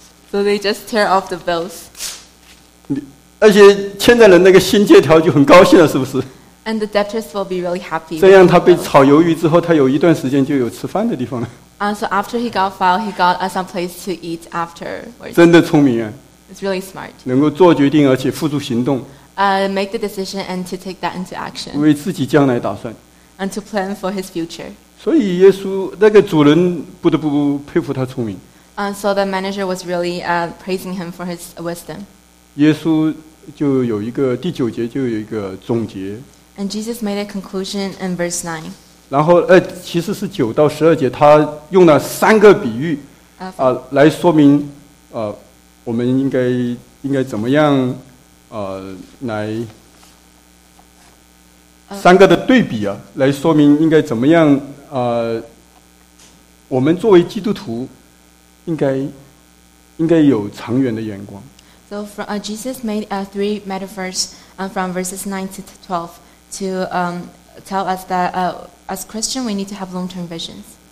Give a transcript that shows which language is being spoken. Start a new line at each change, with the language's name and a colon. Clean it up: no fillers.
English: So they just tear off the bills.
Chinese: 而且欠债人那个新借条就很高兴了，是不是？
English: And the debtors will be really happy.
Chinese: 这样他被炒鱿鱼之后，他有一段时间就有吃饭的地方了。
English: So after he got fired, he got some place to eat afterwards.
Chinese: 真的聪明啊！
English: It's really smart.
Chinese: 能够做决定而且付诸行动。
English: Make the decision and to take that into action.
Chinese: 为自己将来打算。
English: And to plan for his future.
Chinese: 所以耶稣那个主人不得不佩服他聪明。
English: So the manager was really praising him for his wisdom.
Chinese: 耶稣就有一个第九节就有一个总结。
English: And Jesus made a conclusion in verse 9.
Chinese: 然后其实是九到十二节，他用了三个比喻来说明我们应该怎么样来三个的对比啊，来说明应该怎么样我们作为基督徒应该有长远的眼光。
English: So from Jesus made three metaphors from verses 9 to 12 to tell us that as Christian we need to have long-term visions.